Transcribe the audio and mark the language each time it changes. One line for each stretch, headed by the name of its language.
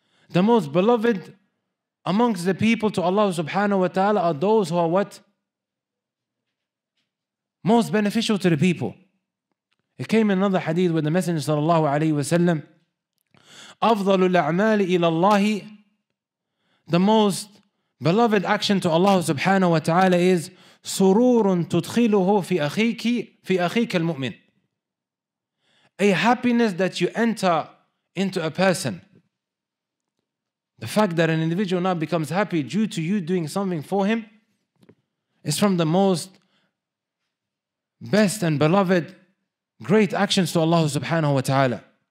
English: The most beloved amongst the people to Allah subhanahu wa ta'ala are those who are what? Most beneficial to the people. It came in another hadith where the Messenger sallallahu alayhi wa sallam,
Arabic: أَفْضَلُ الْأَعْمَالِ إِلَى اللَّهِ.
English: The most beloved action to Allah subhanahu wa ta'ala is
Arabic: سرور تدخله في أخيك في أخيك المؤمن.
English: A happiness that you enter into a person. The fact that an individual now becomes happy due to you doing something for him is from the most best and beloved great actions to Allah subhanahu wa ta'ala.